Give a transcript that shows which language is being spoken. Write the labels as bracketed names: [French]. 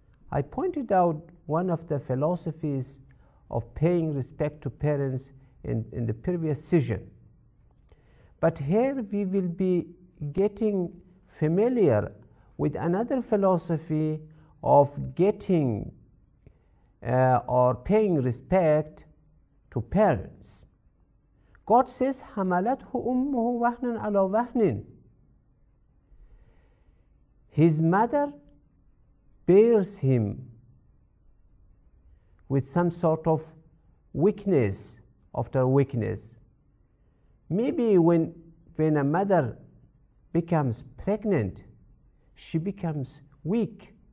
[English] I pointed out one of the philosophies of paying respect to parents in the previous session. But here we will be getting familiar with another philosophy of getting or paying respect to parents. God says, [Arabic] حَمَلَتْهُ أُمُّهُ وَهْنًا عَلَى وَهْنٍ. [English] His mother bears him with some sort of weakness after weakness. Maybe when a mother becomes pregnant, she becomes weak.